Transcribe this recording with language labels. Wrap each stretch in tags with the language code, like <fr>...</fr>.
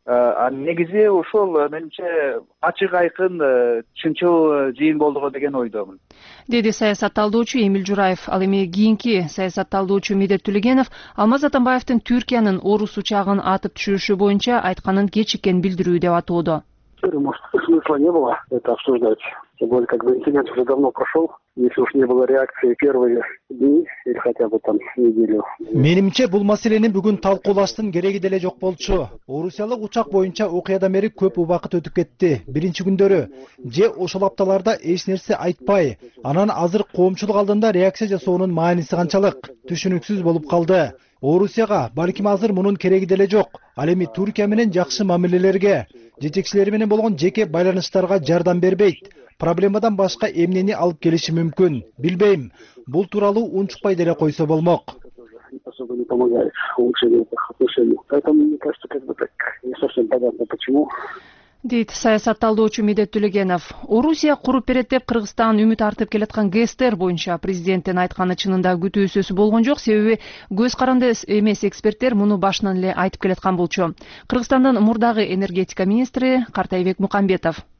<ky>Анын негизи ошол менимче ачык айкын чынчыл жыйын болдуго деген ойдомун, деди саясат талдоочу Эмил Жураев. Ал эми кийинки саясат талдоочу Медет Түлегенов Алмаз Атамбаевдин Түркиянын орус учагын атып түшүрүшү боюнча айтканын кечиккен билдирүү деп атоодо.</ky> <ru>Смысла не было это обсуждать. Тем более, как бы инцидент уже давно прошел. Если уж не было реакции первые дни или хотя бы там неделю.</ru> <ky>Менимче бул маселени бүгүн талкуулаштын кереги деле жок болчу. Орусиялык учак боюнча окуядан бери көп убакыт өтүп кетти. Биринчи күндөрү же ошол апталарда эч нерсе айтпай, анан азыр коомчулук алдында реакция жасоонун мааниси канчалык түшүнүксүз болуп калды. Орусияга балким азыр мунун кереги деле жок. Ал эми Түркия менен жакшы мамилелерге, жетекчилери менен болгон жеке байланыштарга жардам бербейт. Проблемадан башка эмнени алып келиши мүмкүн? Билбейм. Бул тууралуу унчукпай деле койсо болмок.</ky> <ru>особо не помогает улучшению этих отношений. Поэтому, мне кажется, как бы так не совсем понятно, почему.</ru> <ky>Дейт саясат талдоочу Медет Түлегенов. Орусия куруп берет деп Кыргызстан үмүт артып келаткан гестер боюнча президенттин айтканы чынында күтүүсүз болгон жок, себеби көз каранды эмес эксперттер муну башынан эле айтып келаткан болчу. Кыргызстандын мурдагы энергетика министри Картайбек Мукамбетов.</ky>